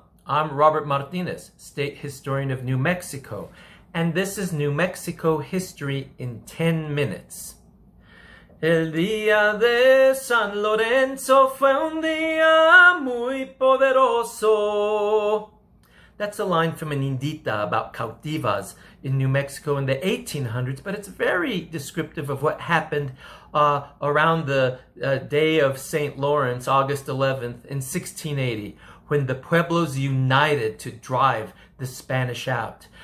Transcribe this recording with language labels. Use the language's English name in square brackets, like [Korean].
[English] I'm Robert Martinez, State Historian of New Mexico, and this is New Mexico History in 10 Minutes. [Spanish] El día de San Lorenzo fue un día muy poderoso. [English] That's a line from an indita about cautivas in New Mexico in the 1800s, but it's very descriptive of what happened around the day of St. Lawrence, August 11th, in 1680, when the Pueblos united to drive the Spanish out.